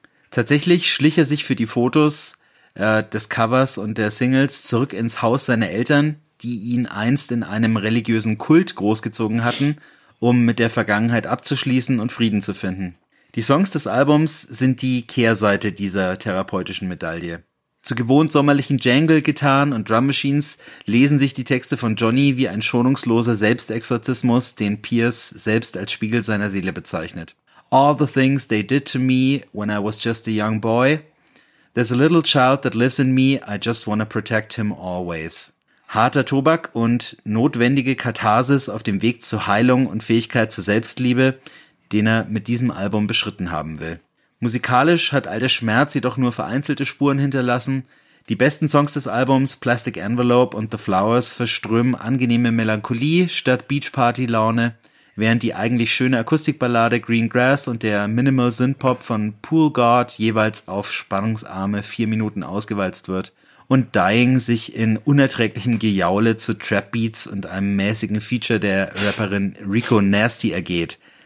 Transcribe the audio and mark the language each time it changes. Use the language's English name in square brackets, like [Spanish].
[German] Tatsächlich schlich er sich für die Fotos des Covers und der Singles zurück ins Haus seiner Eltern, die ihn einst in einem religiösen Kult großgezogen hatten, um mit der Vergangenheit abzuschließen und Frieden zu finden. Die Songs des Albums sind die Kehrseite dieser therapeutischen Medaille. Zu gewohnt sommerlichen Jangle-Gitarren und Drum-Machines lesen sich die Texte von Johnny wie ein schonungsloser Selbstexorzismus, den Pierce selbst als Spiegel seiner Seele bezeichnet. [English] All the things they did to me when I was just a young boy. There's a little child that lives in me, I just wanna protect him always. [German] Harter Tobak und notwendige Katharsis auf dem Weg zur Heilung und Fähigkeit zur Selbstliebe, den er mit diesem Album beschritten haben will. Musikalisch hat all der Schmerz jedoch nur vereinzelte Spuren hinterlassen. Die besten Songs des Albums, Plastic Envelope und The Flowers, verströmen angenehme Melancholie statt Beachparty-Laune, während die eigentlich schöne Akustikballade Green Grass und der Minimal Synthpop von Pool God jeweils auf spannungsarme 4 Minuten ausgewalzt wird und Dying sich in unerträglichem Gejaule zu Trap Beats und einem mäßigen Feature der Rapperin Rico Nasty ergeht.